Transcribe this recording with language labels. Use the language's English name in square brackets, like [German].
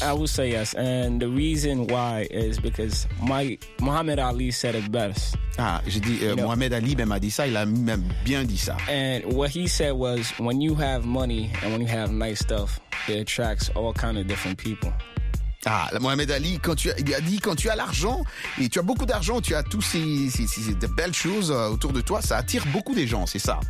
[English] I would say yes, and the reason why is because Muhammad Ali said it best. [French] Ah, je dis Muhammad Ali même a dit ça, il a même bien dit ça. [English] And what he said was, when you have money and when you have nice stuff, it attracts all kind of different people. [French] Ah, Mohamed Ali, quand tu as l'argent, et tu as beaucoup d'argent, tu as tous ces belles choses autour de toi, ça attire beaucoup des gens, c'est ça.